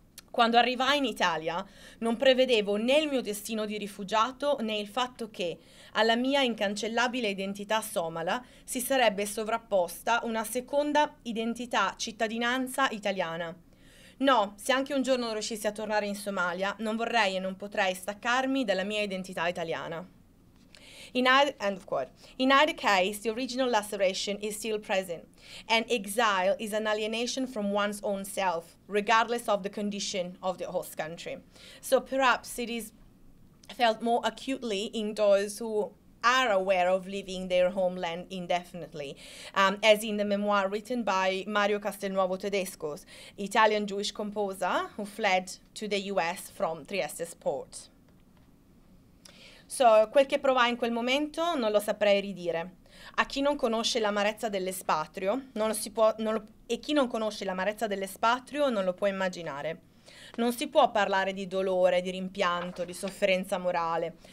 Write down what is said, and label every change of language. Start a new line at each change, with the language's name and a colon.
Italian: Quando arrivai in Italia, non prevedevo né il mio destino di rifugiato né il fatto che alla mia incancellabile identità somala si sarebbe sovrapposta una seconda identità cittadinanza italiana. No, se anche un giorno riuscissi a tornare in Somalia, non vorrei e non potrei staccarmi dalla mia identità italiana.
English: In either case, the original laceration is still present, and exile is an alienation from one's own self, regardless of the condition of the host country. So perhaps it is felt more acutely in those who are aware of leaving their homeland indefinitely, as in the memoir written by Mario Castelnuovo Tedesco, Italian Jewish composer who fled to the US from Trieste's port.
Italian: So, quel che provai in quel momento non lo saprei ridire. A chi non conosce l'amarezza dell'espatrio, non lo può immaginare. Non si può parlare di dolore, di rimpianto, di sofferenza morale.